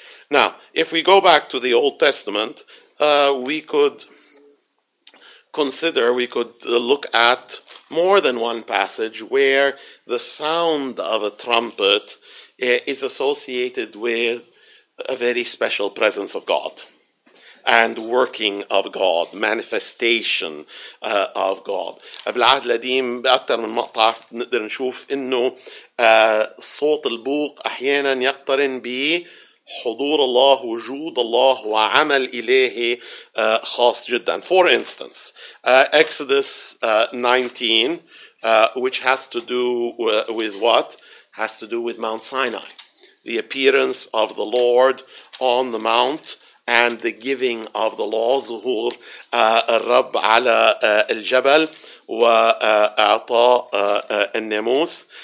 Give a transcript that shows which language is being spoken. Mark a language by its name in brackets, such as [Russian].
[English] Now, if we go back to the Old Testament, we could consider, we could look at more than one passage where the sound of a trumpet is associated with a very special presence of God and working of God, manifestation of God. [Arabic] بالعهد القديم بأكثر من مقطع نقدر نشوف إنه صوت البوق أحيانا يقترن ب حضور الله وجود الله وعمل إلهي خاص جدا. [English] For instance, Exodus 19, which has to do with what? Has to do with Mount Sinai, the appearance of the Lord on the mount and the giving of the law. [Arabic] ظهور الرب على الجبل وأعطى الناموس.